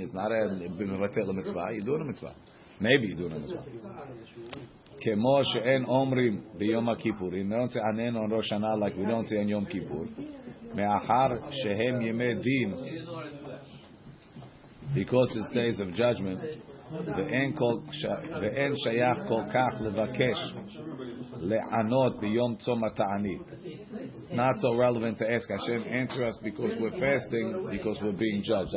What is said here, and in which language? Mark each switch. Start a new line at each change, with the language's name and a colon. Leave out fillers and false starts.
English: It's not a b'mevatel mitzvah. You do a mitzvah. Maybe you do a mitzvah.
Hebrew: Kemo she'en omrim b'yom kippur.
English: We don't say anen on Rosh Hashanah like we don't say on Yom Kippur.
Hebrew: Me'achar shehem yemei din,
English: because it's days of judgment.
Hebrew: ואין שייך כל כך לבקש לענות ביום צום התענית.
English: Not so relevant to ask Hashem answer us because we're fasting, because we're being judged.